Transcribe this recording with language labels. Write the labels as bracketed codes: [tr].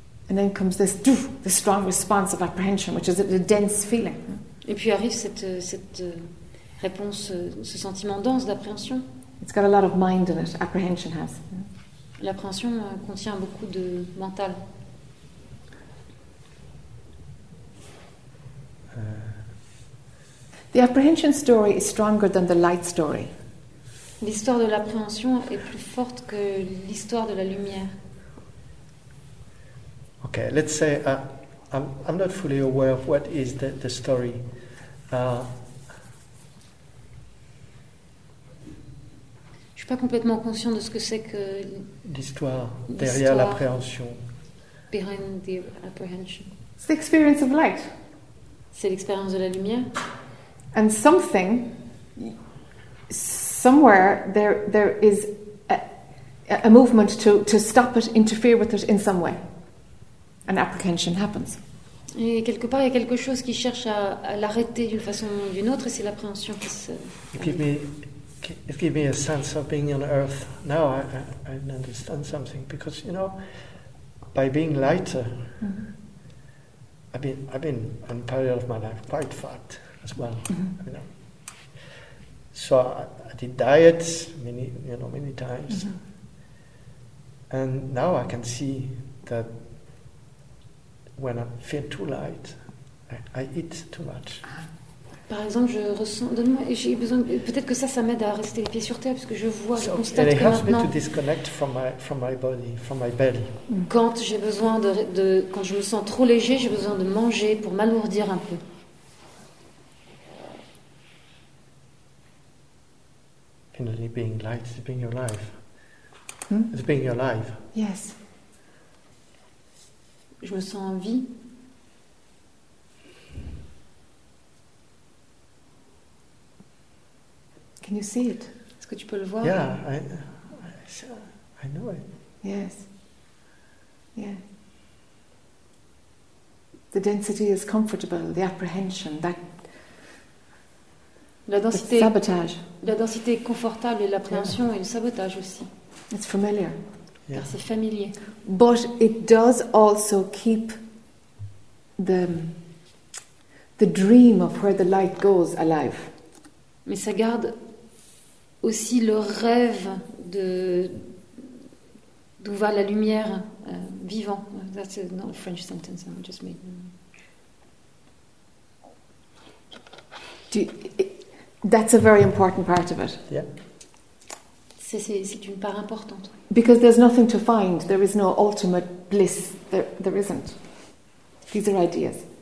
[en] And then comes this the strong response of apprehension, which is a dense feeling. [fr] Et puis arrive cette réponse, ce sentiment dense d'appréhension. [en] It's got a lot of mind in it. Apprehension has. [fr] L'appréhension contient beaucoup de mental. [en] The apprehension story is stronger than the light story. [fr] L'histoire de l'appréhension est plus forte que l'histoire de la lumière. [en] Okay, let's say I'm not fully aware of what is the story. [fr] Je suis pas complètement conscient de ce que c'est que l'histoire derrière l'appréhension. [en] Behind the apprehension. It's the experience of light. [fr] C'est l'expérience de la lumière. [en] And something, somewhere, there is a movement to stop it, interfere with it in some way. An apprehension happens. [fr] Et quelque part, il y a quelque chose qui cherche à l'arrêter d'une façon ou d'une autre, et c'est l'appréhension qui se... [en] It gives me a sense of being on Earth. Now I understand something, because, you know, by being lighter... Mm-hmm. I've been in parallel of my life quite fat as well, mm-hmm. you know. So I did diets many times, mm-hmm. and now I can see that when I feel too light, I eat too much. [fr] Par exemple, je ressens. Donne-moi. J'ai besoin. Peut-être que ça m'aide à rester les pieds sur terre, parce que je vois, je constate que maintenant. [en] So it helps me to disconnect from my body, from my belly. [fr] Quand j'ai besoin de quand je me sens trop léger, j'ai besoin de manger pour m'alourdir un peu. [en] Finally, being light, it's being your life. Hmm? It's being your life. Yes. [fr] Je me sens en vie. [en] Can you see it? [fr] Est-ce que tu peux le voir? [en] Yeah, I know it. Yes. Yeah. The density is comfortable, the apprehension, that... [fr] La densité, [en] the sabotage. [fr] La densité est confortable et l'appréhension est le sabotage aussi. [en] It's familiar. [fr] Yeah. Car c'est familier. [en] But it does also keep the dream of where the light goes alive. [fr] Mais ça garde... aussi le rêve de d'où va la lumière vivant. [en] That's a, not a French sentence I just made. That's a very important part of it. Yeah. [fr] C'est une part importante. [en] Because there's nothing to find. There is no ultimate bliss. There isn't. These are ideas.